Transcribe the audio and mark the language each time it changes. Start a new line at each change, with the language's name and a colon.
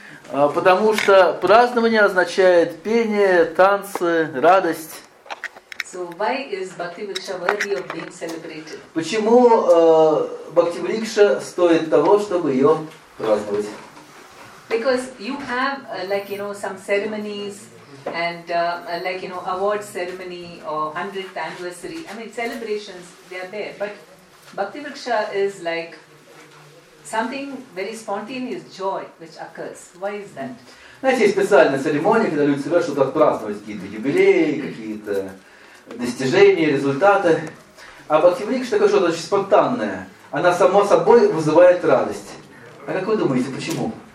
Russian: Потому что празднование означает пение, танцы, радость.
English: So why is Bhaktivriksha worthy of being celebrated?
Russian: Почему Бхактивриксха стоит того, чтобы ее праздновать?
English: Because you have some ceremonies and award ceremony or 100th anniversary. Celebrations, they are there, but Bhaktivriksha is like something very spontaneous joy which occurs. Why is that?
Russian: Знаете, есть специальная церемония, когда люди собираются что-то отпраздновать, какие-то юбилеи, какие-то достижения, результаты. А Бхактивриксха такое что-то очень спонтанное. Она само собой вызывает радость. А как вы думаете, почему?